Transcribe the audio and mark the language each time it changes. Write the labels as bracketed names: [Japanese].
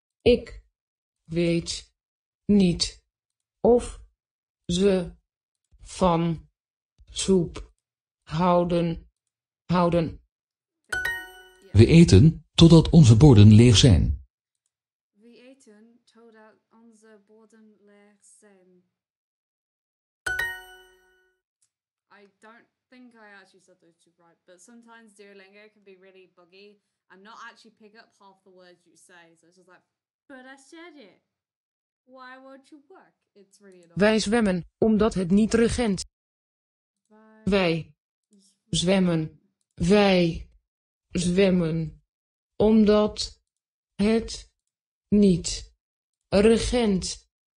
[Dutch] Ik weet niet of ze van soep houden. Houden. We eten totdat onze borden leeg zijn. We eten totdat onze borden leeg zijn. [English] I don't think I actually said those two right, but sometimes Duolingo can be really buggy and not actually pick up half the words you say. So it's just like, but I said it. Why won't you work? It's really annoying. [Dutch] Wij zwemmen omdat het niet regent. Wij zwemmen. Wij zwemmen omdat het niet regent.